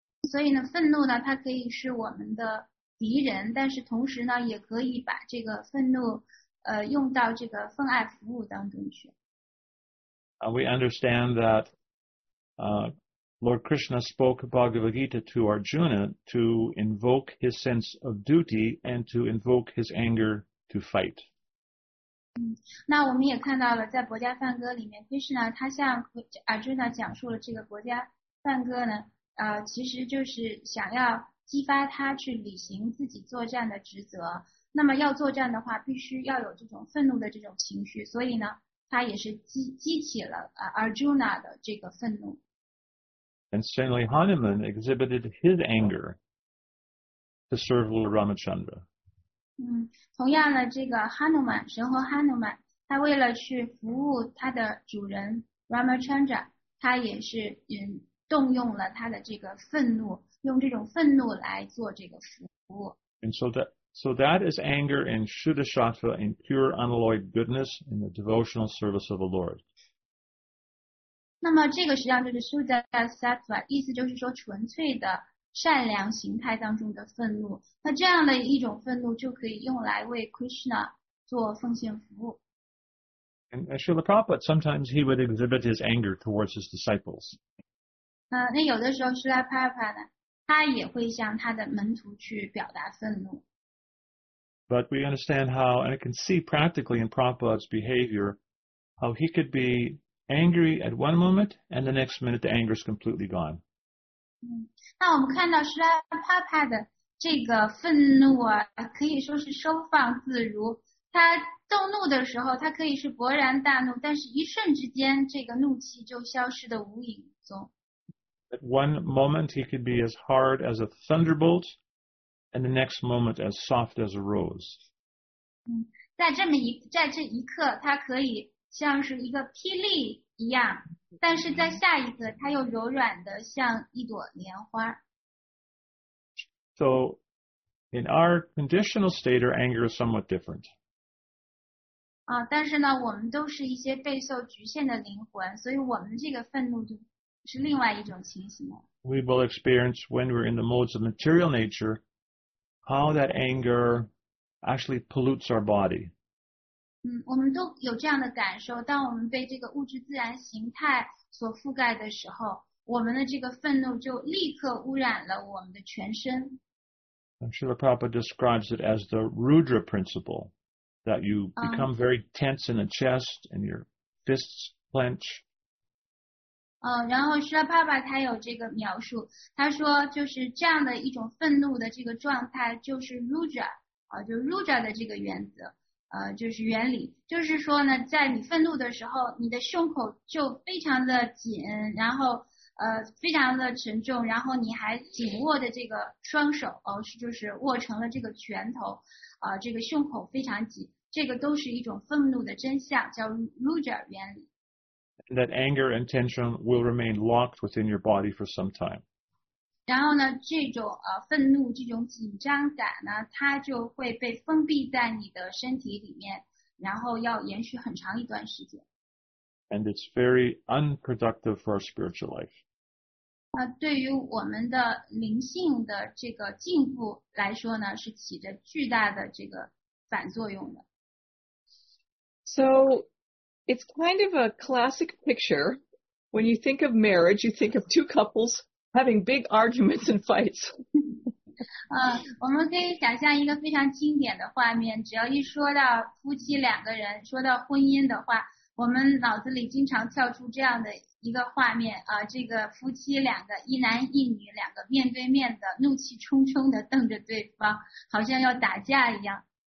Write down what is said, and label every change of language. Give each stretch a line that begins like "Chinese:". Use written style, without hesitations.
Chinese: 所以呢，愤怒呢，它可以是我们的敌人，但是同时呢，也可以把这个愤怒，用到这个奉爱服务当中去。
English: We understand that, Lord Krishna spoke Bhagavad Gita to Arjuna to invoke his sense of duty and to invoke his anger to fight.
Chinese: 那我们也看到了，在《薄伽梵歌》里面，Krishna 他向 Arjuna 讲述了这个《薄伽梵歌》呢，其实就是想要激发他去履行自己作战的职责，那么要作战的话，必须要有这种愤怒的这种情绪，所以呢，他也是激起了Arjuna 的这个愤怒。
English: And similarly, Hanuman exhibited his anger to serve Lord Ramachandra.
Chinese: 同样的，这个哈努曼，神猴哈努曼，他为了去服务他的主人 Ramachandra, 他也是动用了他的这个愤怒。用这种愤怒来做这个服务。
English: And so that is anger in Shuddhashattva, in pure unalloyed goodness, in the devotional service of the Lord.
Chinese: 那么这个实际上就是 Shuddhashattva, 意思就是说纯粹的善良形态当中的愤怒。那这样的一种愤怒就可以用来为 Krishna 做奉献服务。
English: And Srila Prabhupada, sometimes he would exhibit his anger towards his disciples.
Chinese: 那有的时候 Srila Prabhupada他也会向他的门徒去表达愤怒。
English: But we understand how, and I can see practically in Prabhupada's behavior, how he could be angry at one moment, and the next minute the anger is completely gone.
Chinese: 那我们看到是帕帕的这个愤怒可以说是收放自如。他动怒的时候，他可以是勃然大怒，但是一瞬之间，这个怒气就消失得无影无踪。
English: At one moment he could be as hard as a thunderbolt, and the next moment as soft as a rose.
Chinese: 在这一刻，他可以像是一个霹雳一样，但是在下一刻，他又柔软的像一朵莲花。
English: So in our conditional state, our anger is somewhat different.
Chinese: 但是呢，我们都是一些备受局限的灵魂，所以我们这个愤怒就是另外一种情形了。
English: We will experience when we're in the modes of material nature, how that anger actually pollutes our body.
Chinese: 我们都有这样的感受，当我们被这个物质自然形态所覆盖的时候，我们的这个愤怒就立刻污染了我们的全身。
English: Srila Prabhupada describes it as the Rudra principle, that you become very tense in the chest and your fists clench.
Chinese: 然后 Srila Prabhupada 他有这个描述，他说就是这样的一种愤怒的这个状态就是 Rudra, 就 Rudra 的这个原则，就是原理。就是说呢，在你愤怒的时候，你的胸口就非常的紧，然后非常的沉重，然后你还紧握的这个双手，就是握成了这个拳头，这个胸口非常紧，这个都是一种愤怒的真相，叫 Rudra 原理。
English: That anger and tension will remain locked within your body for some time.
Chinese: 然后呢，这种愤怒，这种紧张感呢，它就会被封闭在你的身体里面，然后要延续很长一段时间。
English: And it's very unproductive for our spiritual life.
Chinese: 对于我们的灵性的这个进步来说呢，是起着巨大的这个反作用的。
English: So, it's kind of a classic picture. When you think of marriage, you think of two couples having big arguments and fights.
Chinese: 我们可以想象一个非常经典的画面，只要一说到夫妻两个人，说到婚姻的话，我们脑子里经常跳出这样的一个画面，这个夫妻两个，一男一女，两个面对面的，怒气冲冲的瞪着对方，好像要打架一样。